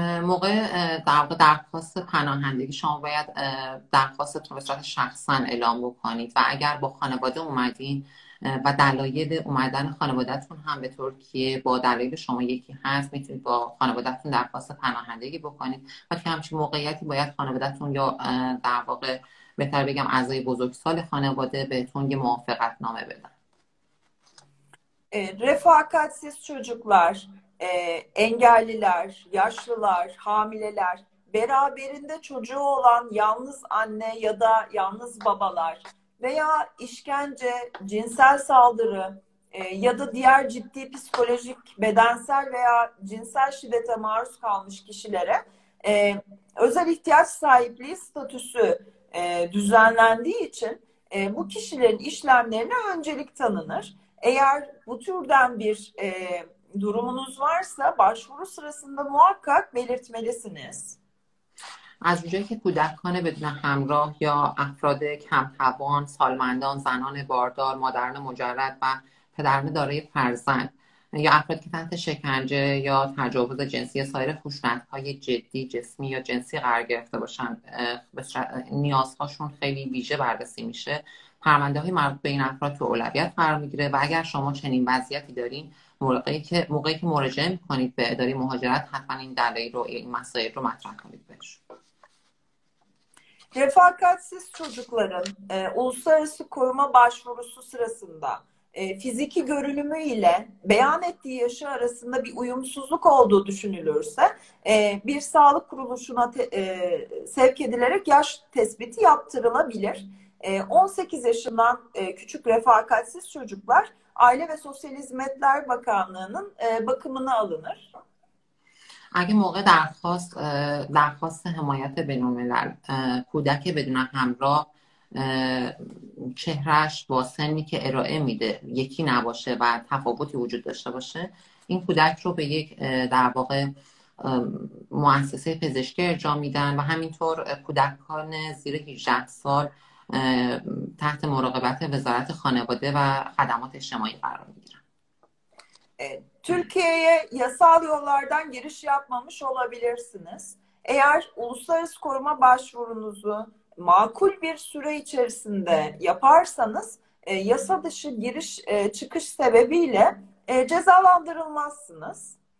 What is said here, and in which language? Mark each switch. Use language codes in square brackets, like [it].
[fa] موقع در واقع درخواست پناهندگی شما باید درخواستتون به صورت شخصا اعلام بکنید و اگر با خانواده اومدین و دلایل اومدن خانوادهتون هم به ترکیه با دلایل شما یکی هست، میتونید با خانوادهتون درخواست پناهندگی بکنید. و که همچین موقعیتی باید خانوادهتون یا در واقع بهتر بگم اعضای بزرگسال خانواده بهتون یه موافقت نامه بدن. [tr] رفاقتسیز چوچوکلار، engelliler, yaşlılar, hamileler, beraberinde çocuğu olan yalnız anne ya da yalnız babalar veya işkence, cinsel saldırı ya da diğer ciddi psikolojik, bedensel veya cinsel şiddete maruz kalmış kişilere özel ihtiyaç sahipliği statüsü düzenlendiği için bu kişilerin işlemlerine öncelik tanınır. Eğer bu türden bir durumunuz varsa başvuru sırasında muhakkak belirtmelisiniz. [fa] از اونجایی که کودکان بدون همراه یا افراد کمتوان، سالمندان، زنان باردار، مادران مجرد و پدران دارای فرزند یا افراد که تحت شکنجه یا تجاوز جنسی یا سایر خشونت‌های جدی جسمی یا جنسی قرار گرفته باشند، نیازهاشون خیلی ویژه بررسی میشه. پرونده‌های مربوط به این افراد تو اولویت قرار می‌گیره و اگر شما چنین وضعیتی دارین، موقعی که مراجعه می‌کنید به اداره مهاجرت حتما این دلایل رو، این مسائل رو مطرح کنید بهش. [tr] Refakatsiz çocukların uluslararası koruma başvurusu sırasında fiziki görünümü ile beyan ettiği yaşı arasında bir uyumsuzluk olduğu düşünülürse bir sağlık kuruluşuna sevk edilerek yaş tespiti yaptırılabilir. 18 yaşından küçük refakatsiz çocuklar Aile ve Sosyal Hizmetler Bakanlığı'nın bakımına alınır. [fa] اگه موقع درخواست حمایت بین الملل کودک بدون همراه چهرش با سنی که ارائه میده یکی نباشه و تفاوتی وجود داشته باشه، این کودک رو به یک در واقع مؤسسه پزشکی ارجاع میدن و همینطور کودکان زیر 18 سال تحت مراقبت وزارت خانواده و خدمات اجتماعی قرار میگیرن. [tr] Türkiye'ye yasal yollardan giriş yapmamış olabilirsiniz. Eğer uluslararası koruma başvurunuzu makul bir süre içerisinde yaparsanız yasa dışı giriş çıkış sebebiyle cezalandırılmazsınız.